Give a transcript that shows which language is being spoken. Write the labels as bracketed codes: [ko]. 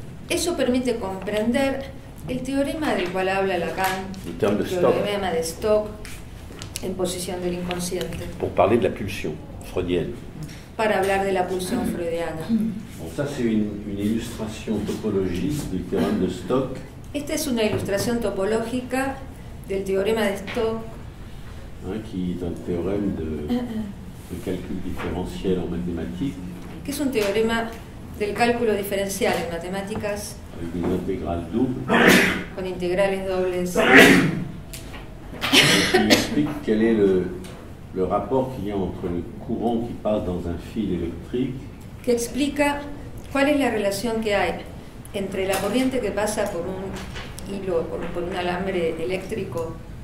[es] Eso permite comprender el teorema del cual habla Lacan, [fr] le terme de Stock. [es] El teorema de Stock en posición del inconsciente. [fr] Pour parler de la pulsión freudienne. [es] Para hablar de la pulsión freudiana. [fr] Bon, ça c'est une illustration topologique du théorème de Stock. [es] Esta es una ilustración topológica del teorema de Stock. [fr] Qui est un théorème de calcul différentiel en mathématiques. [es] Que es un teorema del cálculo diferencial en matemáticas. [fr] Avec une intégrale double. [es] Con integrales dobles. [fr] Il explique quel est le rapport qu'il y a entre le courant qui passe dans un fil électrique. [es] Que explica cuál es la relación que hay entre la corriente que pasa por un hilo, por un alambre eléctrico.